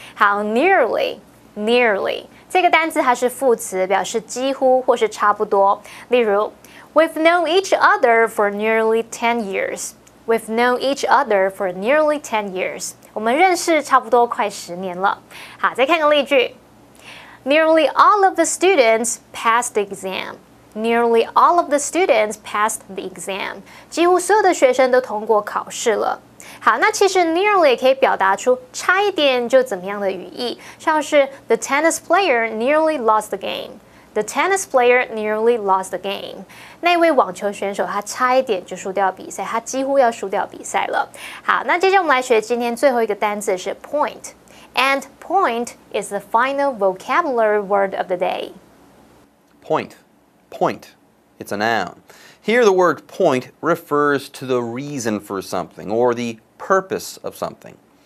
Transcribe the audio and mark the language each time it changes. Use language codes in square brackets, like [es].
[zh] 好 ，nearly， 这个单字它是副词，表示几乎或是差不多。 [en] 例如 ，We've known each other for nearly 10 years. We've known each other for nearly 10 years. [zh] 我们认识差不多快十年了。好，再看个例句。 [en] Nearly all of the students passed the exam. Nearly all of the students passed the exam. [zh] 几乎所有的学生都通过考试了。好，那其实 nearly 也可以表达出差一点就怎么样的语义，像是 [en] The tennis player nearly lost the game. The tennis player nearly lost the game. [zh] 那位网球选手他差一点就输掉比赛，他几乎要输掉比赛了。好，那接着我们来学今天最后一个单字是 point。 [en] And point is the final vocabulary word of the day. Point. It's a noun. Here the word point refers to the reason for something or the purpose of something.